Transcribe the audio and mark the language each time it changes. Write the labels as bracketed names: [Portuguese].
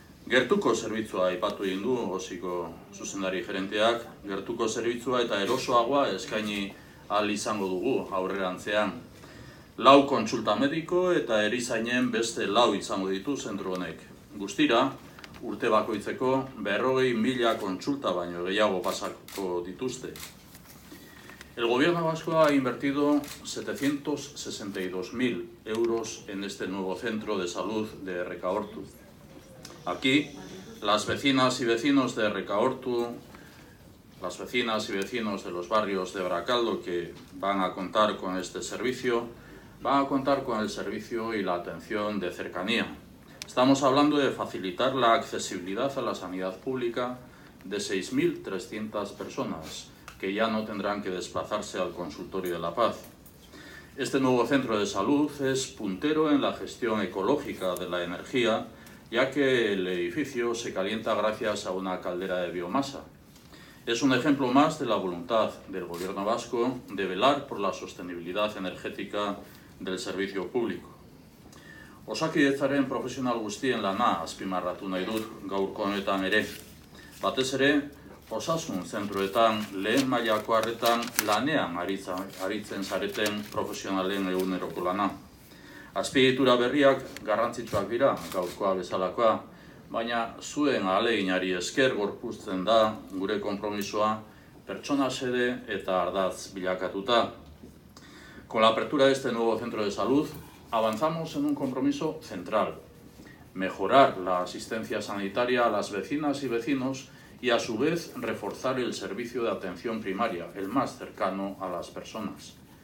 [Basque] Gertuko zerbitzua aipatu egin du osiko zuzendari gerenteak, gertuko zerbitzua eta erosoagoa eskaini ahal izango dugu aurrerantzean. 4 kontsulta mediko eta erizainen beste 4 izango ditu zentro honek. Guztira, urte bakoitzeko 40.000 kontsulta baino gehiago pasako dituzte. [Spanish] El gobierno vasco ha invertido 762.000 euros en este nuevo centro de salud de Recaortu. Aquí, las vecinas y vecinos de Recaortu, las vecinas y vecinos de los barrios de Baracaldo que van a contar con este servicio, van a contar con el servicio y la atención de cercanía. Estamos hablando de facilitar la accesibilidad a la sanidad pública de 6.300 personas que ya no tendrán que desplazarse al consultorio de La Paz. Este nuevo centro de salud es puntero en la gestión ecológica de la energía, ya que el edificio se calienta gracias a una caldera de biomasa. Es un ejemplo más de la voluntad del Gobierno vasco de velar por la sostenibilidad energética del servicio público. [Basque] Osakidetzaren profesional guztien lana azpimarratu nahi dut gaurko honetan ere. Batez ere, osasun zentroetan lehen mailako arretan lanean aritzen zareten profesionalen eguneroko lana. Azpiegitura berriak garrantzitsuak dira gaurkoa bezalakoa, baina zuen ahaleginari esker gorpuzten da gure konpromisoa pertsona xede eta ardatz bilakatuta. [Spanish] Con la apertura de este nuevo centro de salud, avanzamos en un compromiso central: mejorar la asistencia sanitaria a las vecinas y vecinos y, a su vez, reforzar el servicio de atención primaria, el más cercano a las personas.